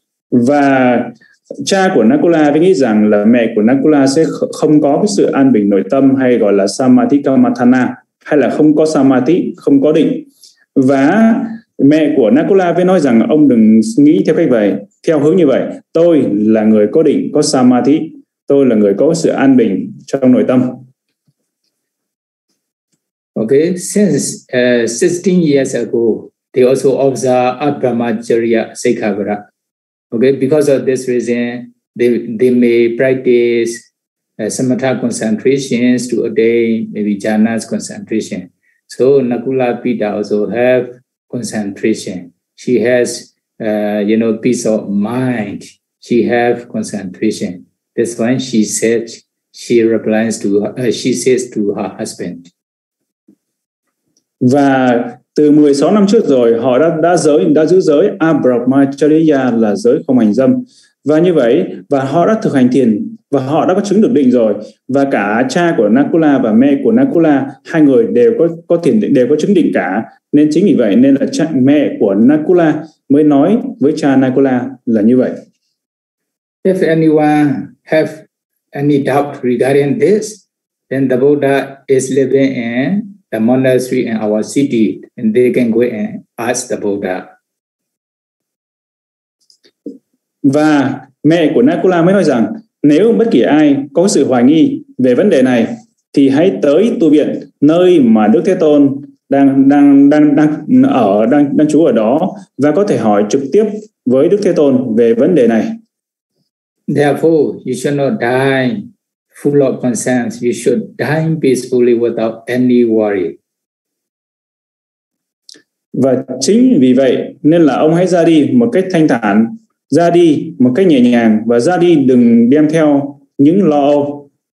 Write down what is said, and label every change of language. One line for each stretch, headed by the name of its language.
Vietnamese: Và cha của Nakula mới nghĩ rằng là mẹ của Nakula sẽ không có cái sự an bình nội tâm, hay gọi là Samadhi Kamathana, hay là không có Samadhi, không có định. Và mẹ của Nakula mới nói rằng ông đừng nghĩ theo cách vậy, theo hướng như vậy. Tôi là người có định, có Samadhi. Tôi là người có sự an bình trong nội tâm.
English: Okay, since 16 years ago, they also observe Abrahmacharya Sekhagara. Okay, because of this reason, they may practice samatha concentrations to attain maybe jhanas concentration. So Nakula Pita also have concentration. She has peace of mind. She have concentration. That's why she says to her husband.
Vietnamese: Và từ 16 năm trước rồi, họ đã giữ giới Abrahmacharya, là giới không hành dâm. Và như vậy, và họ đã thực hành thiền, và họ đã có chứng được định rồi. Và cả cha của Nakula và mẹ của Nakula, hai người đều có thiền định, đều có chứng định cả. Nên chính vì vậy, nên là cha, mẹ của Nakula mới nói với cha Nakula là như vậy.
English: If anyone have any doubt regarding this, then the Buddha is living in the monastery in our city, and they can go and ask the Buddha.
Vietnamese: Và mẹ của Nakula mới nói rằng nếu bất kỳ ai có sự hoài nghi về vấn đề này thì hãy tới tu viện nơi mà Đức Thế Tôn đang trú ở đó, và có thể hỏi trực tiếp với Đức Thế Tôn về vấn đề này.
English: Therefore, you should not die full of concerns, you should die peacefully without any worry.
Vietnamese: Và chính vì vậy nên là ông hãy ra đi một cách thanh thản, ra đi một cách nhẹ nhàng, và ra đi đừng đem theo những lo âu.